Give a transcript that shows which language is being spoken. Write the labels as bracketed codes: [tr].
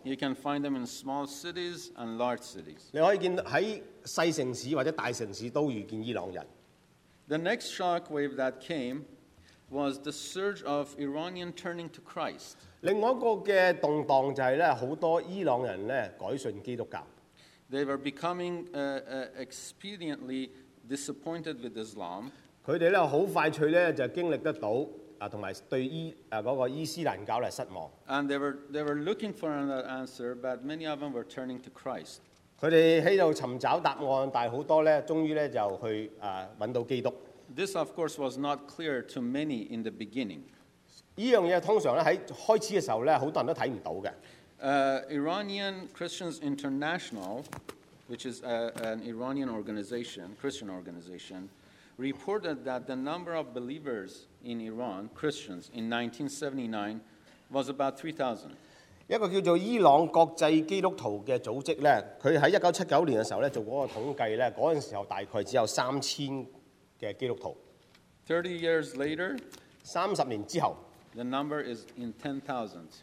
[en] You can find them in small cities and large cities。 [yue] 你可以見喺細城市或者大城市都遇見伊朗人。 [en] The next shock wave that came was the surge of Iranian turning to Christ。 [yue] 另外一個嘅動盪就係咧，好多伊朗人咧改信基督教。 [en] They were becoming expediently disappointed with Islam。 [yue] 佢哋咧好快脆咧就經歷得到。同埋對伊斯蘭教嚟失望。 [en] And they were looking for an answer, but many of them were turning to Christ. [yue] 佢哋喺度尋找答案，但係好多咧，終於咧就去揾到基督。 [en] This of course was not clear to many in the beginning. [yue] 依樣嘢通常咧喺開始嘅時候咧，好多人都睇唔到嘅。 [en] Iranian Christians International, which is an Iranian organization, Christian organization. Reported that the number of believers in Iran, Christians, in 1979 was about 3,000. [yue] 一個叫做伊朗國際基督徒嘅組織咧，佢喺1979年嘅時候咧做嗰個統計咧，嗰陣時候大概只有3,000嘅基督徒。 [en] 30 years later, [yue] 三十年之後 [en] ，the number is in 10,000s.